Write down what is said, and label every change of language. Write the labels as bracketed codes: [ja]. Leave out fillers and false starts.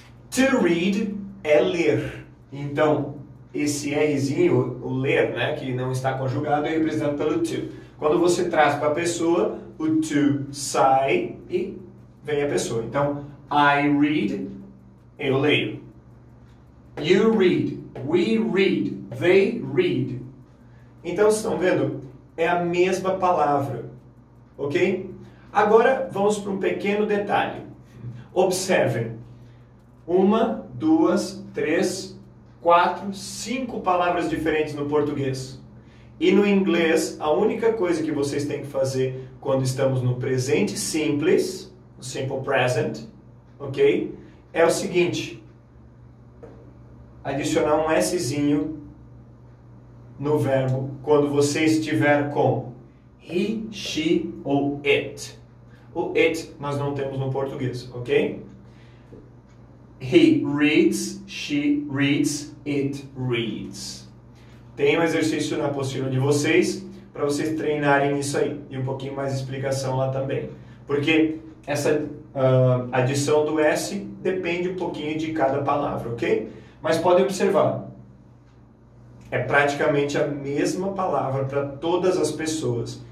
[en] To read [pt] é ler. Então, esse Rzinho, o ler, né, que não está conjugado, é representado pelo to. Quando você traz para a pessoa, o to sai e vem a pessoa. Então, [en] I read, [pt] eu leio. [en] You read, we read, they read. [pt] Então, vocês estão vendo? É a mesma palavra, ok? Agora, vamos para um pequeno detalhe. Observem. Uma, duas, três, quatro, cinco palavras diferentes no português. E no inglês, a única coisa que vocês têm que fazer quando estamos no presente simples, no simple present, ok? É o seguinte. Adicionar um Szinho no verbo, quando você estiver com he, she ou it. O it nós não temos no português, ok? [en] He reads, she reads, it reads. [pt] Tem um exercício na apostila de vocês para vocês treinarem isso aí. E um pouquinho mais de explicação lá também. Porque essa adição do S depende um pouquinho de cada palavra, ok? Mas podem observar. É praticamente a mesma palavra para todas as pessoas.